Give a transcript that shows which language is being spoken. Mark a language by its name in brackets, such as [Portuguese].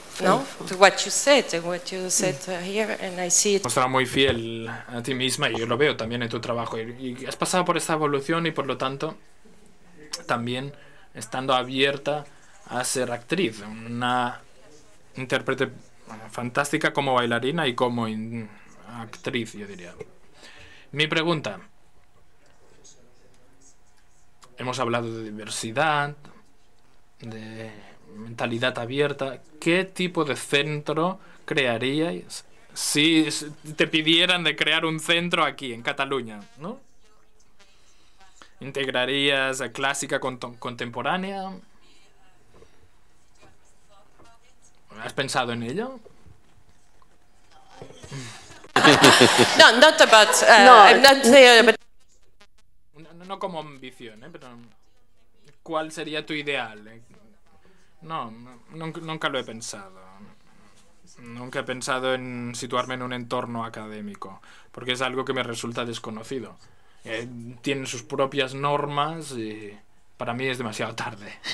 [English] No, to what you said, to what you said here, and I see it. [Spanish] Mostrar muy fiel a ti misma, y yo lo veo también en tu trabajo. Y has pasado por esta evolución, y por lo tanto, también estando abierta a ser actriz, una intérprete fantástica como bailarina y como actriz, yo diría. Mi pregunta: hemos hablado de diversidad, de mentalidad abierta. ¿Qué tipo de centro crearíais si te pidieran de crear un centro aquí en Cataluña, ¿no? ¿Integrarías a clásica contemporánea? ¿Has pensado en ello? [English] No, not about, no, I'm not there, but... [Spanish] no, no como ambición, pero ¿cuál sería tu ideal? No, nunca lo he pensado. Nunca he pensado en situarme en un entorno académico, porque es algo que me resulta desconocido. Tiene sus propias normas y para mí es demasiado tarde.